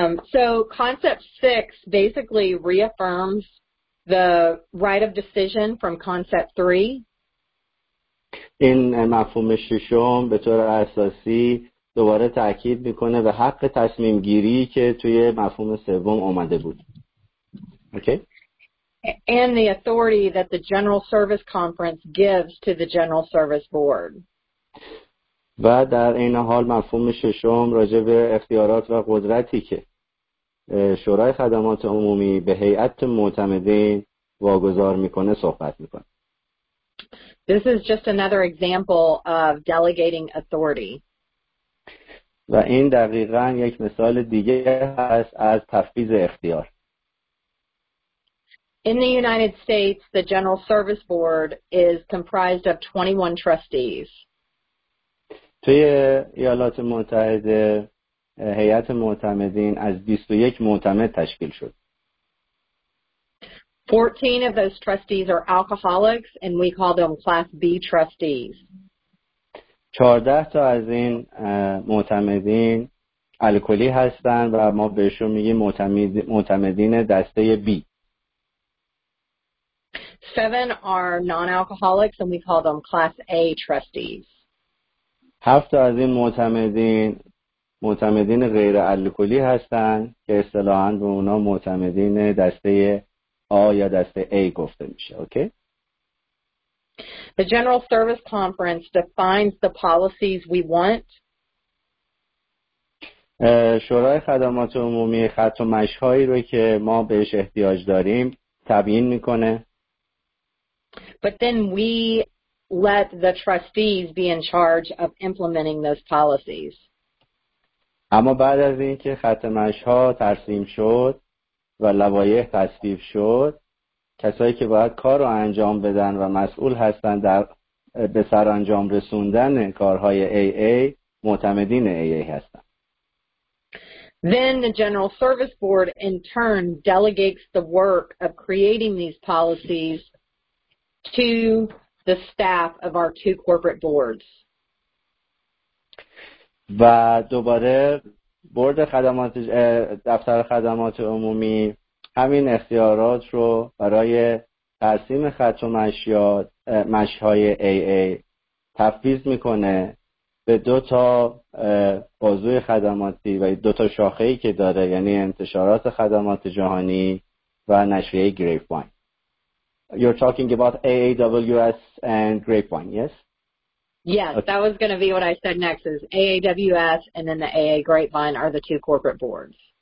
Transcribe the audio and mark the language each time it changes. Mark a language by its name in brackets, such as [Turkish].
[English] So concept 6 basically reaffirms the right of decision from concept 3. [Persian] In مفهوم ششم به طور اساسی دوباره تاکید میکنه به حق تصمیم گیری که توی مفهوم سوم اومده بود. Okay. [English] And the authority that the General Service Conference gives to the General Service Board. [Persian] و در این حال مفهوم ششم راجع به اختیارات و قدرتی که شورای خدمات عمومی به هیئت معتمدین واگذار میکنه صحبت میکنه. [English] This is just another example of delegating authority. [Persian] و این دقیقاً یک مثال دیگه هست از تفویض اختیار. [English] In the United States, the General Service Board is comprised of 21 trustees. [Persian] توی ایالات متحده هیئت معتمدین از 21 معتمد تشکیل شد. [English] 14 of those trustees are alcoholics, and we call them Class B trustees. [Persian] 14 تا از این معتمدین الکلی هستن و ما بهشون میگیم معتمدین دسته B. [English] 7 are non-alcoholics, and we call them Class A trustees. [Persian] 7 تا از این معتمدین غیر الکلی هستن که اصطلاحاً به اونا معتمدین دسته آ یا دسته A گفته میشه. اوکی؟ [English] The General Service Conference defines the policies we want. [Persian] شورای خدمات عمومی خط و مشهایی رو که ما بهش احتیاج داریم تبیین میکنه. [English] But then we let the trustees be in charge of implementing those policies. [Persian] اما بعد از اینکه خط مشها ترسیم شد و لوایح تصویب شد، کسایی که باید کار رو انجام بدن و مسئول هستن در به سر انجام رسوندن کارهای AA معتمدین AA هستن. [English] Then the General Service Board in turn delegates the work of creating these policies to the staff of our two corporate boards. [Persian] و دوباره بورد خدمات دفتر خدمات عمومی همین اختیارات رو برای ترسیم خط و مشهای AA تفویض میکنه به دو تا بازوی خدماتی و دو تا شاخه‌ای که داره، یعنی انتشارات خدمات جهانی و نشریه گریپوین. [English] You're talking about AAWS and Grapevine, yes? Yes, okay. That was going to be what I said next, is AAWS and then the AA Grapevine are the two corporate boards.